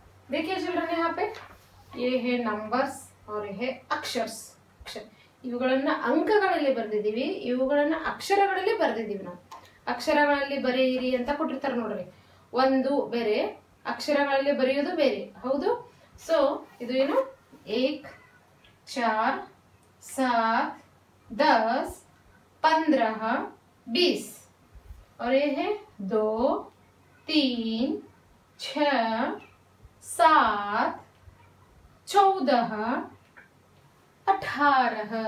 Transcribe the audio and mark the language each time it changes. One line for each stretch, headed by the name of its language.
Hindi: देखिए चिल्ड्रन यहाँ पे ये है नंबर्स और ये है अक्षर.
Kannada: ಇವುಗಳನ್ನ ಅಂಕಗಳಲ್ಲಿ ಬರೆದಿದ್ದೀವಿ, ಇವುಗಳನ್ನ ಅಕ್ಷರಗಳಲ್ಲಿ ಬರೆದಿದ್ದೀವಿ ನಾವು. ಅಕ್ಷರಗಳಲ್ಲಿ ಬರೆಯಿರಿ ಅಂತ ಕೊಟ್ಟಿರ್ತಾರೆ ನೋಡ್ರಿ, ಒಂದು ಬೇರೆ ಅಕ್ಷರಗಳಲ್ಲಿ ಬರೆಯೋದು ಬೇರೆ, ಹೌದು. ಸೊ ಇದು ಏನು 1 4 7 10 15 20
Hindi: और ये है
Kannada: 2 3 6 7 14 18.